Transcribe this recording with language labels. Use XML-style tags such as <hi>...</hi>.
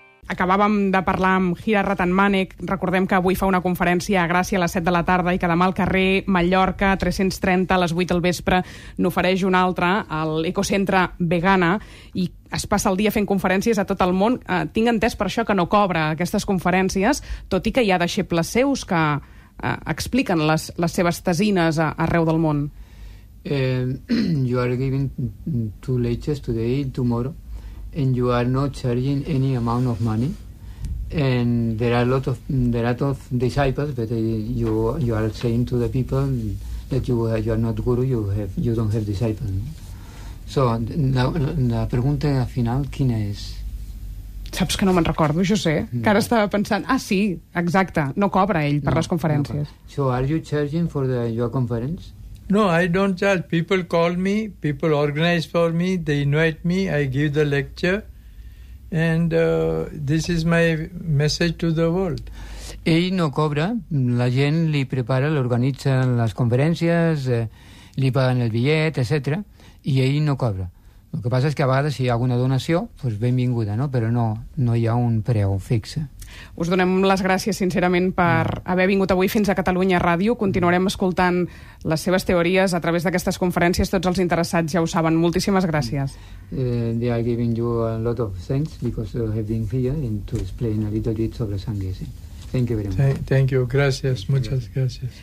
<ca>Acabàvem de parlar amb Hira Ratanmanek. Recordem que avui fa una conferència a Gràcia a les 7 de la tarda i que demà al carrer Mallorca, 330, a les 8 del vespre, n'ofereix una altra, l'Ecocentre Vegana, i es passa el dia fent conferències a tot el món. Tinc entès per això que no cobra aquestes conferències, tot i que hi ha deixebles seus que expliquen les seves tesines arreu del món.</ca> <en>You are giving two lectures today, tomorrow, and you are not charging any amount of money, and there are a lot of disciples, but you are saying to the people that you are not guru, you don't have disciples.</en> <ca>So la pregunta final, quina és? Saps que no me'n recordo, José, no. Que ara estava pensant, ah sí, exacte, no cobra ell per les conferències. No.</ca> <en>So are you charging for your conference? No, I don't charge. People call me, people organize for me, they invite me, I give the lecture, and this is my message to the world.</en> <ca>Ell no cobra, la gent li prepara, l'organitza les conferències, li paguen el bitllet, etc., i ell no cobra. El que passa és que a vegades si hi ha alguna donació, pues benvinguda, no? Però no hi ha un preu fix. Us donem les gràcies sincerament per haver vingut avui fins a Catalunya Ràdio. Continuarem escoltant les seves teories a través d'aquestes conferències. Tots els interessats ja ho saben. Moltíssimes gràcies.</ca> <en>They are giving you a lot of thanks because you have been here and to explain a little bit sobre Sangese. Thank you very much. Thank you. Gràcies. Moltes gràcies.</en>